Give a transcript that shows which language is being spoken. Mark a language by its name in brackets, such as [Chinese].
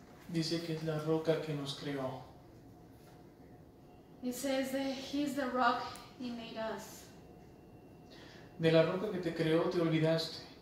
[Spanish] Dice que es la roca que nos creó. [English] It says that he is the rock he made us. [Spanish] De la roca que te creó te olvidaste.